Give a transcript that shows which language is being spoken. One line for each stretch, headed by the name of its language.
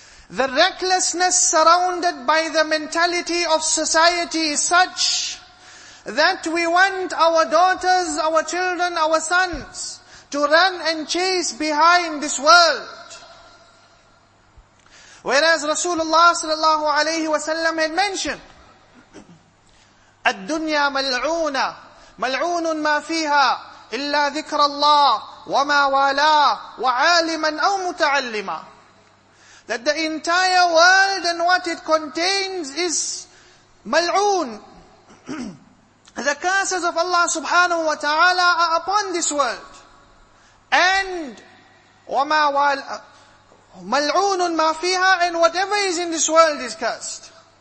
English: The recklessness surrounded by the mentality of society is such that we want our daughters, our children, our sons to run and chase behind this world. Whereas Rasulullah sallallahu alayhi wa sallam had mentioned,
Arabic: الدنيا ملعونة ملعون ما فيها إلا ذكر الله وما والاه وعالما أو متعلما.
English: That the entire world and what it contains is
Arabic: ملعون.
English: The curses of Allah subhanahu wa ta'ala are upon this world. And
Arabic: وما والاه ملعون ما فيها,
English: and whatever is in this world is cursed.